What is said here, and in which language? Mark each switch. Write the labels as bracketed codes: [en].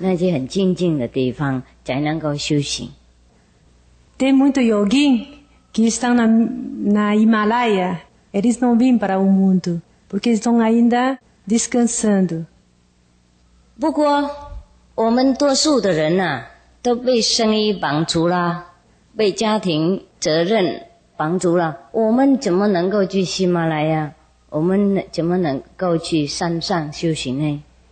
[pt] Ou se [zh] 我们听说很多瑜伽啦，他们都躲在喜马拉雅山呐，就没有人来，没有人去那些很清静的地方，才能够修行. [pt] Tem muito yogi que estão na Himalaia. Eles não vêm para o mundo, porque estão ainda descansando. [zh] 不过，我们多数的人呐，都被生意绑住了，被家庭责任绑住了。我们怎么能够去喜马拉雅？我们怎么能够去山上修行呢？